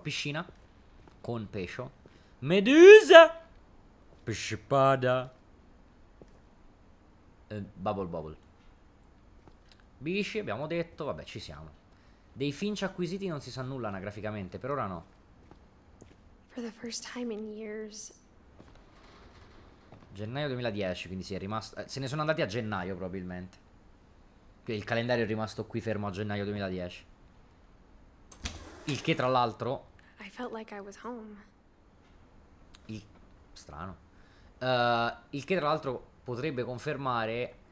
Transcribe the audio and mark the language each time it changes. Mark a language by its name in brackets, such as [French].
[Italian] Piscina con pesce. Medusa! Pescipada. [English] Bubble bubble. [Italian] Bici, abbiamo detto. Vabbè, ci siamo. Dei Finch acquisiti non si sa nulla anagraficamente. Per ora no. [English] For the first time in years. [Italian] Gennaio 2010, quindi si è rimasto. Se ne sono andati a gennaio, probabilmente. Il calendario è rimasto qui fermo a gennaio 2010. Il che, tra l'altro. [English] I felt like I was home. [Italian] Strano. Il che, tra l'altro, potrebbe confermare